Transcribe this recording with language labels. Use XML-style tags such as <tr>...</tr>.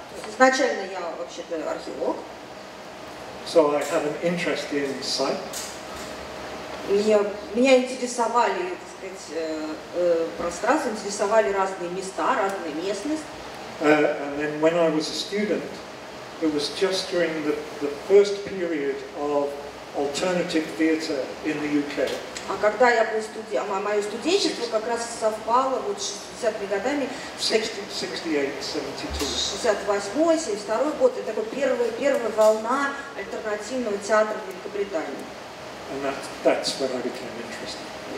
<ru>Изначально я вообще-то археолог.</ru> <en>So I have an interest in site.</en> <ru>Меня интересовали, так сказать, пространство, интересовали разные места, разные местности.</ru> <en>And then when I was a student, it was just during the first period of alternative theatre in the UK.</en> <ru>А когда я был студентом, мое студенчество как раз совпало вот с 60-ми годами. 68-72 год, это такой первая волна альтернативного театра в Великобритании.</ru> <en>And that's when I became interested.</en>